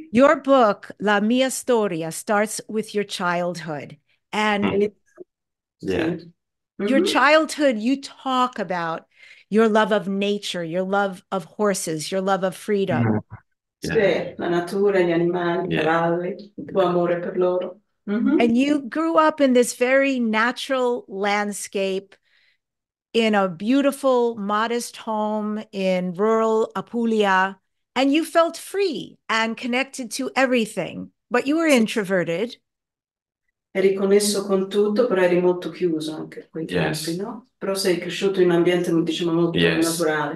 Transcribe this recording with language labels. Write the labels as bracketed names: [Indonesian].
[English] Your book, La Mia Storia, starts with your childhood. And your childhood, you talk about your love of nature, your love of horses, your love of freedom. [Italian] La natura, gli animali, i cavalli, il tuo amore per loro. [English] And you grew up in this very natural landscape in a beautiful, modest home in rural Apulia. And you felt free and connected to everything, but you were introverted. [Italian] Eri connesso con tutto, però eri molto chiuso anche a quei tempi, no? Però sei cresciuto in un ambiente, diciamo, molto naturale.